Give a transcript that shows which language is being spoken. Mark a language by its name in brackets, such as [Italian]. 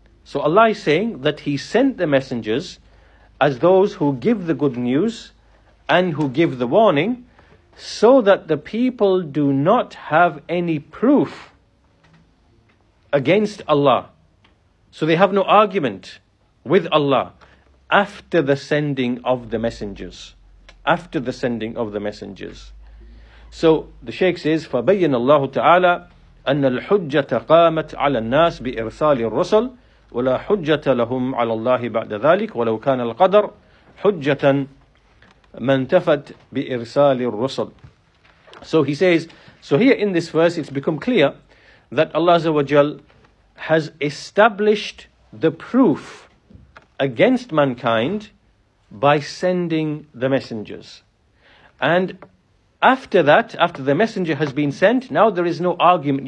[English] So Allah is saying that He sent the messengers as those who give the good news and who give the warning, so that the people do not have any proof against Allah. So they have no argument with Allah after the sending of the messengers. After the sending of the messengers. So the Shaykh says, [Arabic] فَبَيَّنَ اللَّهُ تَعَالَى أَنَّ الْحُجَّةَ قَامَتْ عَلَى النَّاسِ بِإِرْسَالِ الرُّسُلِ وَلَا حُجَّةَ لَهُمْ عَلَى اللَّهِ بَعْدَ ذَلِكَ وَلَوْ كَانَ الْقَدَرُ حُجَّةً مَنْ تَفَتْ بِإِرْسَالِ الرُّسُلِ. [English] So he says, so here in this verse it's become clear that Allah Azza wa Jal has established the proof against mankind by sending the messengers. And after that, after the messenger has been sent, now there is no argument.